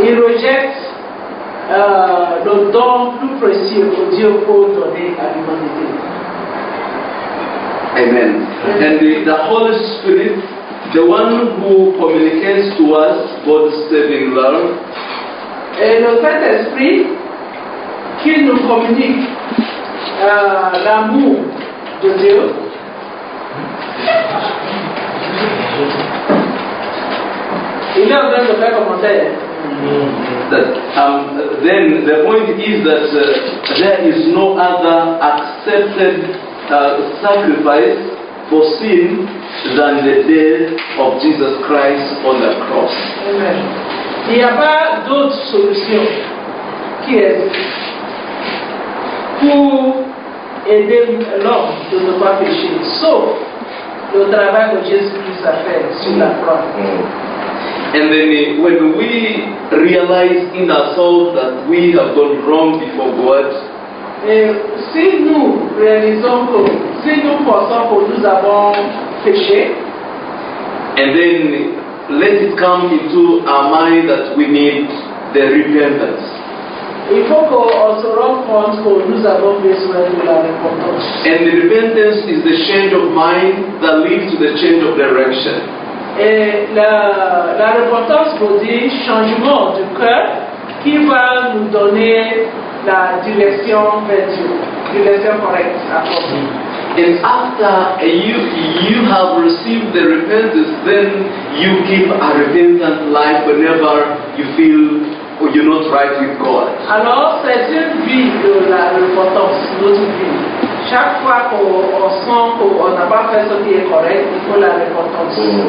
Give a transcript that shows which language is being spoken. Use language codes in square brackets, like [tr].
[fr] Ils rejettent le don plus précieux que Dieu peut donner à l'humanité. Amen. [en] And the Holy Spirit, the one who communicates to us God's saving love. [fr] Et le Saint-Esprit qui nous communique l'amour de Dieu. Il est en train de faire commentaire. [en] Then the point is that there is no other accepted sacrifice for sin than the death of Jesus Christ on the cross. Amen. [fr] Il n'y a pas d'autre solution qui existe pour aider l'homme de ne pas pécher, sauf le travail que Jésus-Christ a fait sur la croix. [en] And then when we realize in ourselves that we have gone wrong before God, [fr] si nous réalisons que, si nous pensons que nous avons péché, [en] and then let it come into our mind that we need the repentance. [fr] Il faut qu'on se rende compte que nous avons besoin de la repentance. [en] And the repentance is the change of mind that leads to the change of direction. [fr] Et la repentance veut dire changement du cœur qui va nous donner la direction vers Dieu, direction correcte à propos. [en] And after you have received the repentance, then you keep a repentant life whenever you feel you're not right with God. [fr] Alors c'est une vie de la repentance, notre vie. Chaque fois qu'on sent qu'on n'a pas fait ce qui est correct, il faut la repentance.